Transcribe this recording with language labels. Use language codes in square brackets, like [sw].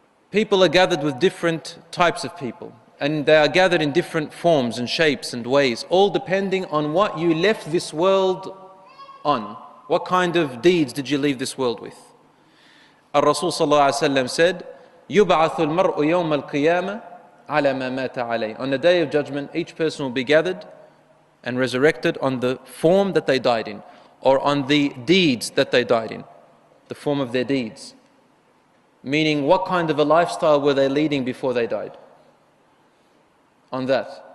[en] People are gathered with different types of people, and they are gathered in different forms and shapes and ways, all depending on what you left this world on. What kind of deeds did you leave this world with? Ar-Rasul sallallahu alayhi wa sallam said, [ar] يُبْعَثُ الْمَرْءُ يَوْمَ الْقِيَامَةِ عَلَى مَا مَاتَ عَلَيْهِ. [en] On the day of judgment, each person will be gathered and resurrected on the form that they died in, or on the deeds that they died in, the form of their deeds. Meaning, what kind of a lifestyle were they leading before they died? On that.